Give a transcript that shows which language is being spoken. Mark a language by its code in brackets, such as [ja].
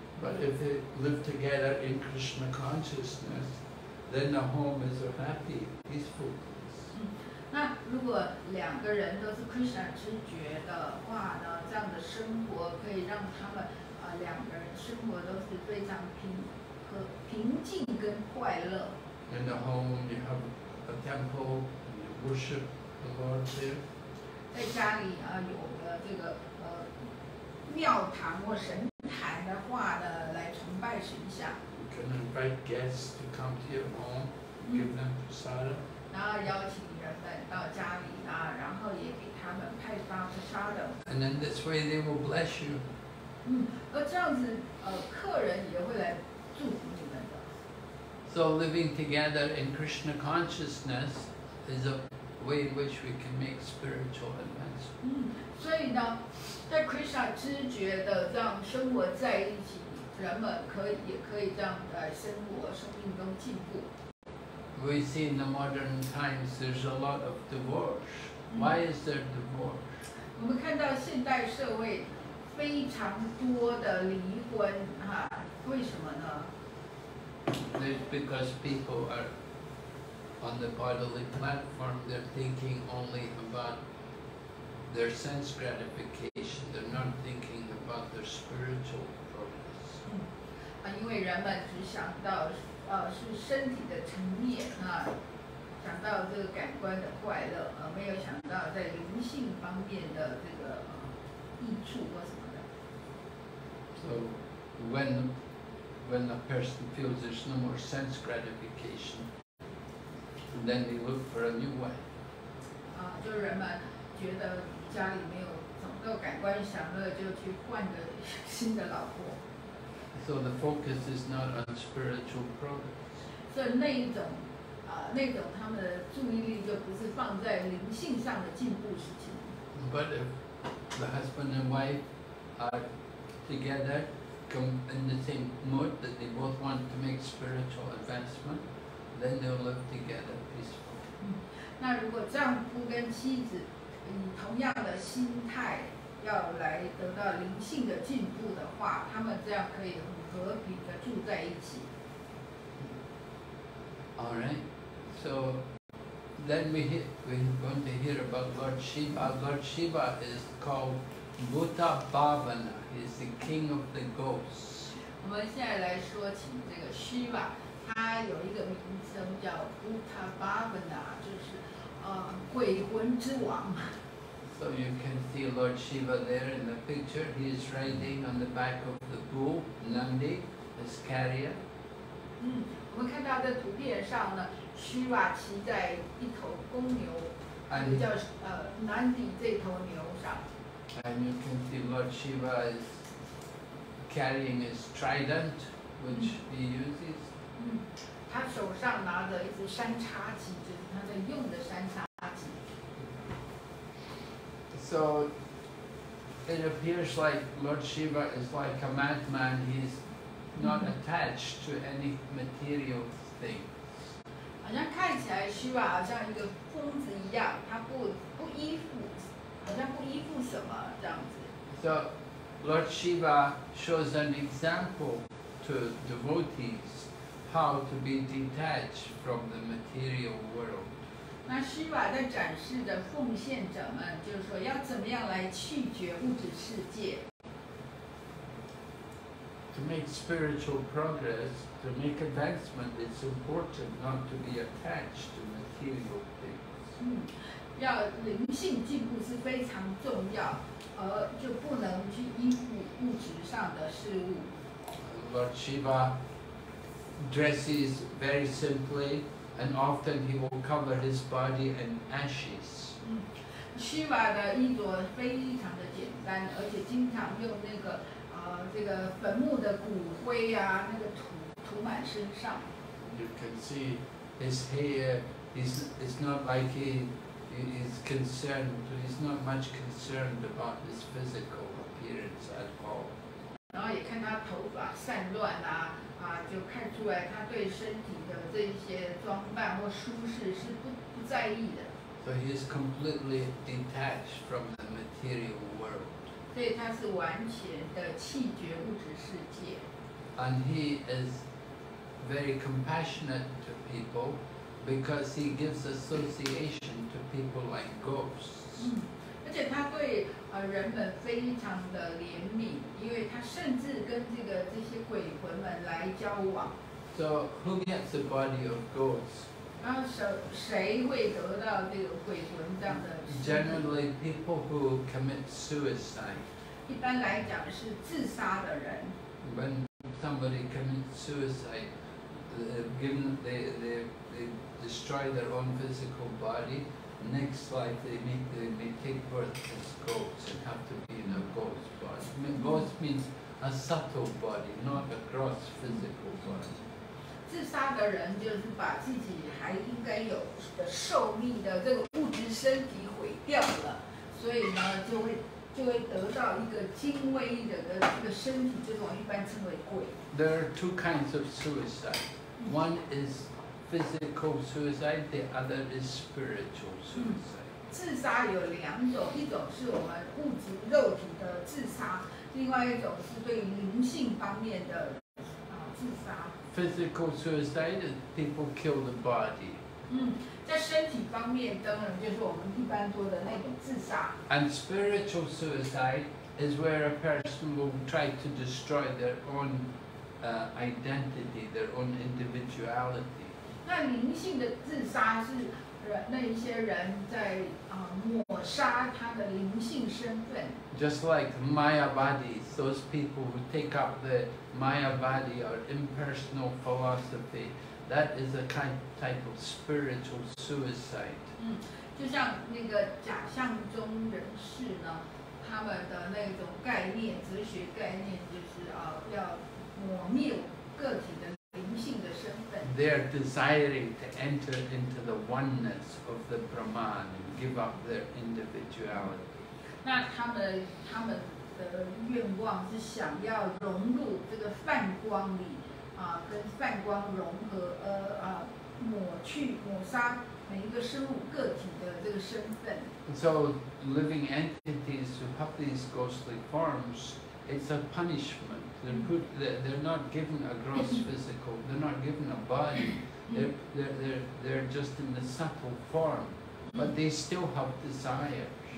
[en] But if they live together in Krishna consciousness, then the home is a happy, peaceful place. [zh] 那如果两个人都是 Krishna 知觉的话呢，这样的生活可以让他们两个人生活都是非常平静跟快乐。 [en] In the home, you have a temple, and you worship the Lord there. [zh] 在家里有了这个庙堂或神坛的话呢，来崇拜神像。 [en] You can invite guests to come to your home, give them prasada. [zh] 然后邀请人们到家里然后也给他们派发prasada。 [en] And then this way they will bless you. [zh] 而这样子客人也会来祝福你们的。 [en] So living together in Krishna consciousness is a way in which we can make spiritual advancement. [zh] 所以呢，在 Krishna 知觉的这样生活在一起，人们也可以这样在生活生命中进步。 [en] We see in the modern times there's a lot of divorce. Why is there divorce? [zh] 我们看到现代社会非常多的离婚为什么呢？ [en] It's because people are on the bodily platform, they're thinking only about their sense gratification, they're not thinking about their spiritual progress. [zh] 因为人们只想到是身体的层面想到这个感官的快乐没有想到在灵性方面的这个益处或什么的。 [en] So when a person feels there's no more sense gratification, then they look for a new way. [zh] 就人们觉得家里没有足够感官享乐，就去换个新的老婆。 [en] So the focus is not on spiritual progress. [zh] 所以那一种他们的注意力就不是放在灵性上的进步事情。 [en] But if the husband and wife are together, come in the same mood that they both want to make spiritual advancement, then they'll live together peacefully. [zh] 那如果丈夫跟妻子以同样的心态要来得到灵性的进步的话，他们这样可以很和平的住在一起。 [en] All right, so then we're going to hear about Lord Shiva. Lord Shiva is called Bhuta Bhavana. He's the king of the ghosts. [zh] 我们现在来说起这个 Shiva， 他有一个名称叫 Bhuta Bhavana， 就是鬼魂之王。 [en] So you can see Lord Shiva there in the picture. He is riding on the back of the bull Nandi, his carrier. [zh] 我们看到在图片上呢，须瓦骑在一头公牛，叫Nandi这头牛上。 [en] And you can see Lord Shiva is carrying his trident, which he uses. [zh] 他手上拿着一支山叉戟，就是他在用的山叉。 [en] So it appears like Lord Shiva is like a madman. He's not attached to any material thing. [zh] 好像看起来 Shiva 好像一个疯子一样，他不依附，好像不依附什么这样子。 [en] So Lord Shiva shows an example to devotees how to be detached from the material world. [zh] 那须瓦在展示的奉献者们，就是说要怎么样来弃绝物质世界。 [en] To make spiritual progress, to make advancement, it's important not to be attached to material things. [zh] 要灵性进步是非常重要，而就不能去依附物质上的事物。 [en] Lord Shiva dresses very simply. And often he will cover his body in ashes. [zh] Shiva 的衣着非常的简单，而且经常用那个这个坟墓的骨灰啊，那个土涂满身上。 [en] You can see his hair is not like he is concerned. He's not much concerned about his physical appearance at all. [zh] 然后也看他头发散乱啊。就看出来他对身体的这些装扮或舒适是 不在意的。 [en] So he is completely detached from the material world. [zh] 所以他是完全的弃绝物质世界。 [en] And he is very compassionate to people because he gives association to people like ghosts. [zh] 而且他对人们非常的怜悯，因为他甚至跟这些鬼魂们来交往。 [en] So who gets the body of ghosts? [zh] 然后谁会得到这个鬼魂这样的？ [en] Generally, people who commit suicide. [zh] 一般来讲是自杀的人。 [en] When somebody commits suicide, they destroy their own physical body. Next life, they may take birth as ghosts and have to be in a ghost body. Ghost means a subtle body, not a gross physical body. [zh] 自杀的人就是把自己还应该有的寿命的这个物质身体毁掉了，所以呢，就会得到一个精微的这个身体，这种一般称为鬼。 [en] There are two kinds of suicide. One is physical suicide, the other is spiritual suicide. [zh] 自杀有两种，一种是我们物质肉体的自杀，另外一种是对于灵性方面的自杀。 [en] Physical suicide, people kill the body. [zh] 在身体方面当然就是我们一般说的那种自杀。 [en] And spiritual suicide is where a person will try to destroy their own identity, their own individuality. [zh] 那灵性的自杀是那一些人在抹杀他的灵性身份。 [en] Just like Maya bodies, those people who take up the Maya body or impersonal philosophy, that is a type of spiritual suicide. [zh] 就像那个假象中人士呢，他们的那种概念，哲学概念就是要抹灭个体的。 [en] They are desiring to enter into the oneness of the Brahman and give up their individuality. [zh] 那他们的愿望是想要融入这个梵光里，跟梵光融合，抹去抹杀每一个生物个体的这个身份。 [en] So living entities who have these ghostly forms, it's a punishment. They're not given a gross physical. They're not given a body. They're just in the subtle form, but they still have desire.